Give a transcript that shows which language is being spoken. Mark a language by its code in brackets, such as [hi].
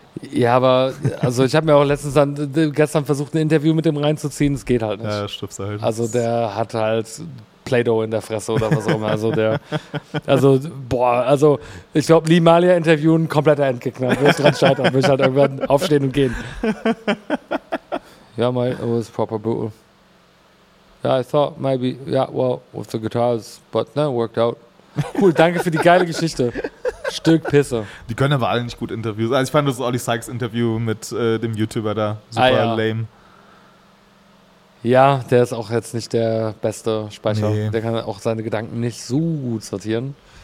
[de] Ja, aber also ich habe mir auch gestern versucht, ein Interview mit dem reinzuziehen. Es geht halt nicht. Ja, stups halt. Also der hat halt Play-Doh in der Fresse oder was auch immer. Also der, also boah, also ich glaube, Limalia interviewen, kompletter Endgegner. Würde ich dran scheitern, würde ich halt irgendwann aufstehen und gehen. [en] Ja, it was proper brutal. Ja, I thought maybe, yeah, well, with the guitars, but no, it worked out. [de] Cool, danke für die geile Geschichte. Stück Pisse. Die können aber alle nicht gut Interviews. Also ich fand das Olli Sykes Interview mit dem YouTuber da super lame. Ja, der ist auch jetzt nicht der beste Speicher. Nee. Der kann auch seine Gedanken nicht so gut sortieren.